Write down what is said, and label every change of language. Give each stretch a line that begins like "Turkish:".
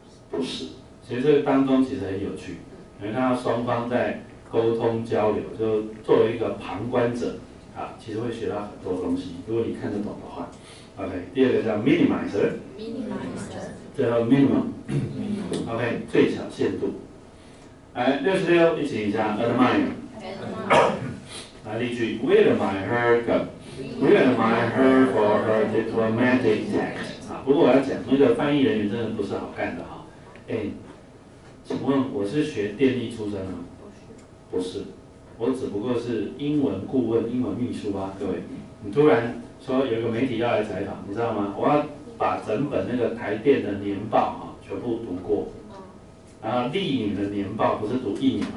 Chinese: 不是，其实这个当中其实很有趣，因为他双方在沟通交流，就作为一个旁观者。啊，其实会学到很多东西，如果你看得懂的话。OK， 第二个叫 minimizer， 最后 minimum， OK， 最小限度。来，66一起一下
English: admire，
Chinese: 来例句
English: ，We admire her， we admire her for her diplomatic tact。
Chinese: 啊，不过我要讲，那个翻译人员真的不是好干的哈。哎，请问我是学电力出身吗？不是。我只不过是英文顾问、英文秘书啊，各位，你突然说有一个媒体要来采访，你知道吗？我要把整本那个台电的年报啊，全部读过，然后丽影的年报不是读一年吗？